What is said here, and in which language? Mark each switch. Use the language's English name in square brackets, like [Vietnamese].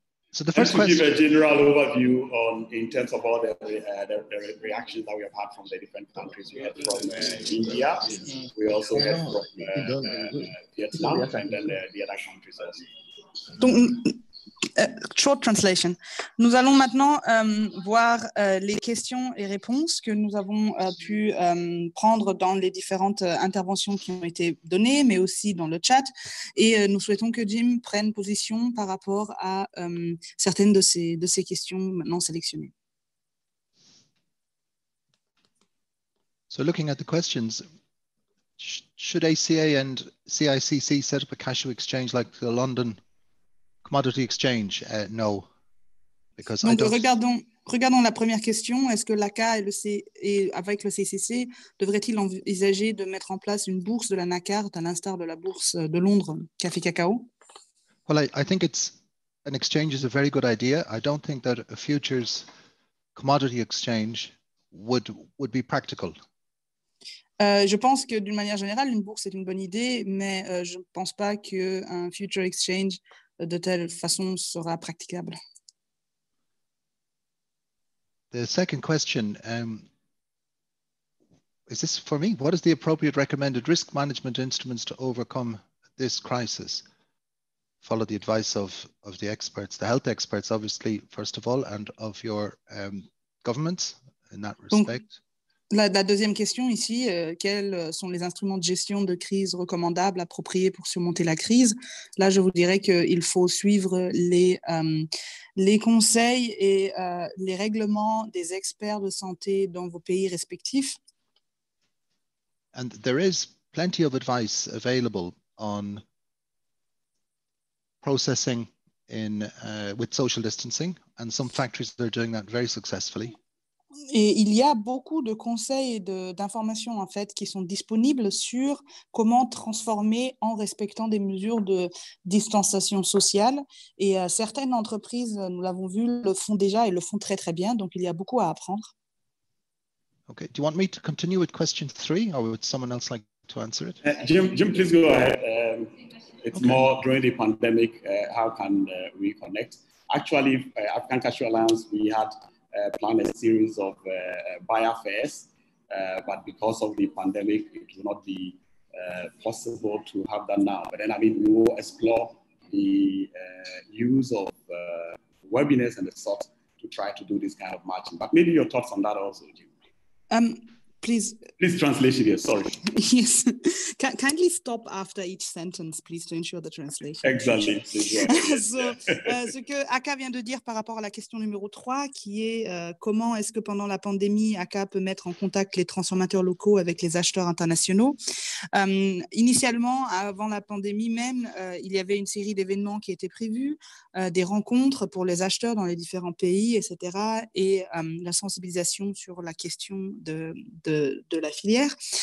[English] So the first question. Give a general overview on, in terms of all the reactions that we have had from the different countries. We had from India. We also had from Vietnam and then the other countries also. Donc, short translation. [French] Nous allons maintenant voir les questions et réponses que nous avons pu prendre dans les différentes interventions qui ont été données, mais aussi dans le chat. Et nous souhaitons que Jim prenne position par rapport à certaines de ces questions maintenant sélectionnées. [English] So looking at the questions, should ACA and CICC set up a cashew exchange like the London Commodity Exchange? No, because [French] donc, [English] I don't... [French] Regardons la première question. Est-ce que l'ACA et avec le CCC devraient-ils envisager de mettre en place une bourse de la NACARD à l'instar de la bourse de Londres, Café Cacao? [English] Well, I think it's an exchange is a very good idea. I don't think that a futures commodity exchange would be practical. [French] Je pense que d'une manière générale, une bourse est une bonne idée, mais je ne pense pas qu'un [English] future exchange [French] de telle façon sera praticable. [English] The second question, is this for me? What is the appropriate recommended risk management instruments to overcome this crisis? Follow the advice of the experts, the health experts, obviously, first of all, and of your governments in that respect. [French] Donc, La deuxième question ici, quels sont les instruments de gestion de crise recommandables, appropriés pour surmonter la crise? Là, je vous dirais qu'il faut suivre les conseils et les règlements des experts de santé dans vos pays respectifs. [English] And there is plenty of advice available on processing with social distancing, and some factories are doing that very successfully. [French] Et il y a beaucoup de conseils et d'informations en fait qui sont disponibles sur comment transformer en respectant des mesures de distanciation sociale. Et certaines entreprises, nous l'avons vu, le font déjà et le font très très bien. Donc il y a beaucoup à apprendre. [English] Okay. Do you want me to continue with question three, or would someone else like to answer it? Jim, please go ahead. It's okay. More during the pandemic. How can we connect? Actually, African Cashew Alliance, we had planned a series of buyer fairs, but because of the pandemic, it will not be possible to have that now. But then, I mean, we will explore the use of webinars and the sort to try to do this kind of matching. But maybe your thoughts on that also, Jim. Please translation here, sorry. Yes. Kindly stop after each sentence, please, to ensure the translation. Exactly. [French] ce que Aka vient de dire par rapport à la question numéro 3, qui est comment est-ce que pendant la pandémie, Aka peut mettre en contact les transformateurs locaux avec les acheteurs internationaux. Initialement, avant la pandémie même, il y avait une série d'événements qui étaient prévus, des rencontres pour les acheteurs dans les différents pays, etc., et la sensibilisation sur la question de la filière.